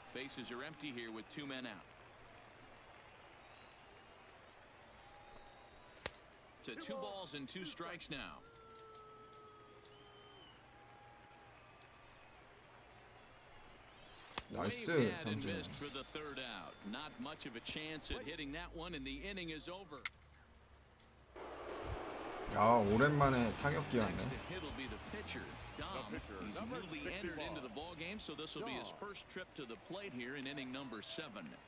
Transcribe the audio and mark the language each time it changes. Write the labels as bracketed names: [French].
[English] Bases are empty here with two men out. To two balls and two strikes now. Nice. And missed for the third out. Not much of a chance at hitting that one, and the inning is over. [Korean] 야, 오랜만에 타격 기회네. [English] It'll be the pitcher, Dom. He's newly entered into the ball game, so this will be his first trip to the plate here in inning number seven.